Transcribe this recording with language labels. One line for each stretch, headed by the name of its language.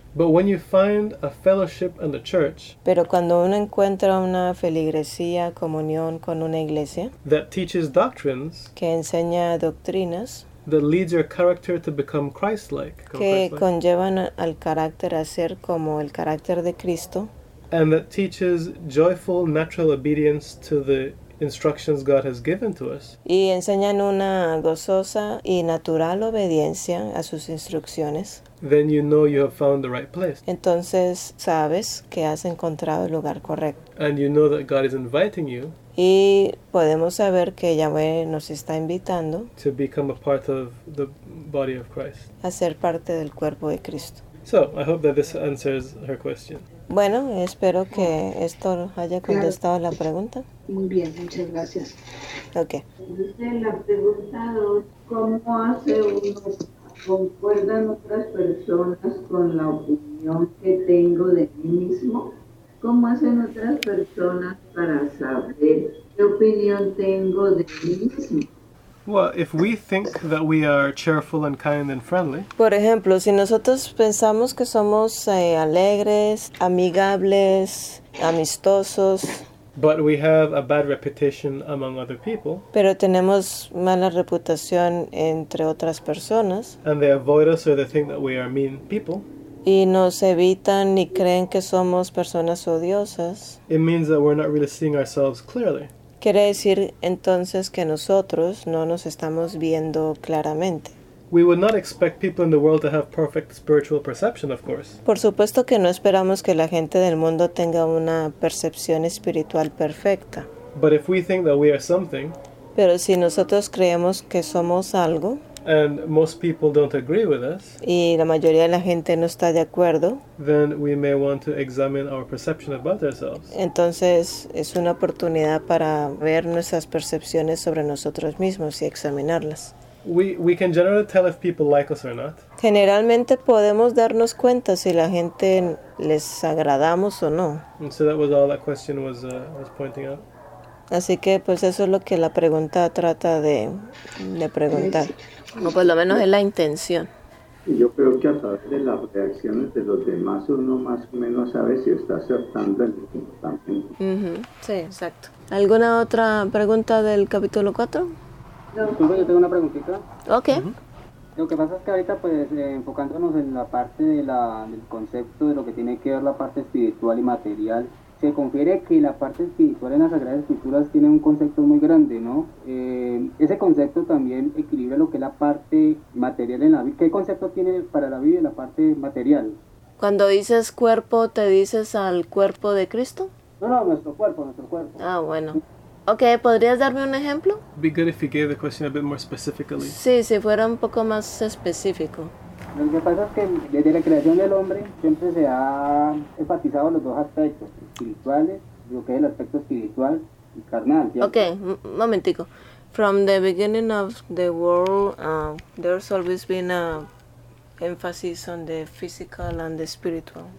English: But when you find a fellowship in the church.
Spanish: Pero cuando uno encuentra una feligresía, comunión con una iglesia.
English: That teaches doctrines.
Spanish: Que enseña doctrinas.
English: That leads your character to become Christ-like.
Spanish: Que conllevan al carácter a ser como el carácter de Cristo.
English: And that teaches joyful, natural obedience to the instructions God has given to us.
Spanish: Y enseñan una gozosa y natural obediencia a sus instrucciones.
English: Then you know you have found the right place.
Spanish: Entonces sabes que has encontrado el lugar correcto.
English: And you know that God is inviting you.
Spanish: Y podemos saber que Yahweh nos está invitando.
English: To become a part of the body of Christ.
Spanish: A ser parte del cuerpo de Cristo.
English: So, I hope that this answers her question.
Spanish: Bueno, espero que esto haya contestado la pregunta. Muy bien, muchas gracias. Ok. La pregunta 2, ¿cómo hace uno, concuerdan otras personas con la opinión que tengo de mí mismo? ¿Cómo hacen otras personas para saber qué opinión tengo de mí mismo?
English: Well, if we think that we are cheerful and kind and friendly.
Spanish: Por ejemplo, si nosotros pensamos que somos alegres, amigables, amistosos.
English: But we have a bad reputation among other people.
Spanish: Pero tenemos mala reputación entre otras personas.
English: And they avoid us or they think that we are mean people.
Spanish: Y nos evitan y creen que somos personas odiosas.
English: It means that we're not really seeing ourselves clearly.
Spanish: Quiere decir entonces que nosotros no nos estamos viendo claramente.
English: We would not expect people in the world to have perfect spiritual perception, of course.
Spanish: Por supuesto que no esperamos que la gente del mundo tenga una percepción espiritual perfecta.
English: But if we think that we are something,
Spanish: pero si nosotros creemos que somos algo,
English: and most people don't agree with us,
Spanish: y la mayoría de la gente no está de acuerdo,
English: then we may want to examine our perception about ourselves.
Spanish: Entonces es una oportunidad para ver nuestras percepciones sobre nosotros mismos y examinarlas.
English: We can generally tell if people like us or not.
Spanish: Generalmente podemos darnos cuenta si la gente les agradamos o no.
English: And so that was all that question was pointing out.
Spanish: Así que pues eso es lo que la pregunta trata de preguntar. O por lo menos es la intención. Yo creo que a través de las reacciones de los demás uno más o menos sabe si está acertando el comportamiento. Sí, exacto. ¿Alguna otra pregunta del capítulo 4? Disculpe, yo tengo una preguntita. Ok. Uh-huh. Lo que pasa es que ahorita, pues, enfocándonos en la parte del concepto de lo que tiene que ver la parte espiritual y material, se confiere que la parte espiritual en las Sagradas Escrituras tiene un concepto muy grande, ¿no? Ese concepto también equilibra lo que es la parte material en la vida. ¿Qué concepto tiene para la vida la parte material? Cuando dices cuerpo, ¿te dices al cuerpo de Cristo? No, nuestro cuerpo. Ah, bueno. Okay, ¿podrías darme un ejemplo?
English: Be good if you gave the question a bit more specifically.
Spanish: Sí, si fuera un poco más específico. Lo que pasa es que desde la creación del hombre siempre se ha enfatizado los dos aspectos, espirituales, lo que es el aspecto espiritual y carnal. ¿Cierto? Okay, momentico.
English: From the beginning of the world, there's always been a emphasis on the physical and the spiritual.